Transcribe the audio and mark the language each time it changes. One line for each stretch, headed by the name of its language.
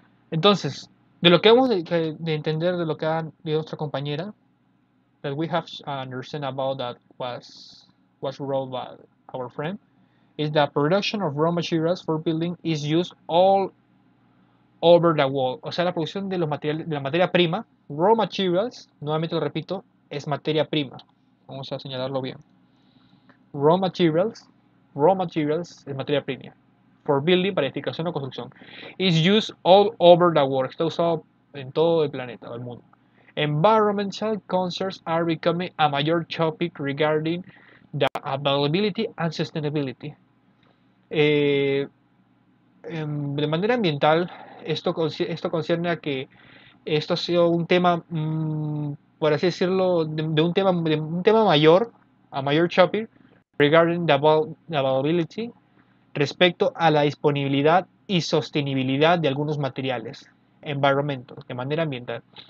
Spanish: Entonces, de lo que hemos de entender de lo que ha dicho nuestra compañera,
English: that we have understood about that was wrote by our friend, is that production of raw materials for building is used all over the world.
Spanish: O sea, la producción de los materiales, de la materia prima, raw materials, nuevamente lo repito, es materia prima. Vamos a señalarlo bien. Raw materials es materia prima.
English: For building,
Spanish: para edificación o construcción.
English: Is used all over the world.
Spanish: Está usado en todo el planeta, el mundo.
English: Environmental concerns are becoming a major topic regarding the availability and sustainability.
Spanish: De manera ambiental, esto concierne a que esto ha sido un tema, por así decirlo, de un tema mayor,
English: a major topic, regarding the availability,
Spanish: respecto a la disponibilidad y sostenibilidad de algunos materiales, environmental, de manera ambiental,